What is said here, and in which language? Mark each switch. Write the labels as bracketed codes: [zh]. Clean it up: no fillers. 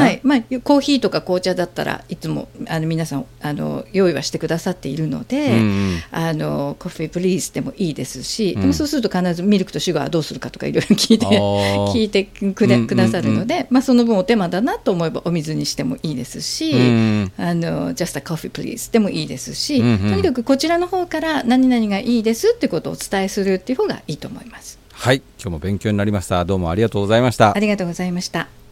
[ja] はい、まあ、コーヒーとか紅茶だったらいつも皆さん用意はしてくださっているので、うん、コーヒープリーズでもいいですし、うん、でもそうすると必ずミルクとシュガーどうするかとかいろいろ聞いてくださるので、うんうんうん、まあ、その分お手間だなと思えばお水にしてもいいですし、うん、 [en] Just a coffee please [ja] でもいいですし、うんうん、とにかくこちらの方から何々がいいですってことをお伝えするっていう方がいいと思います。はい、今日も勉強になりました。どうもありがとうございました。ありがとうございました。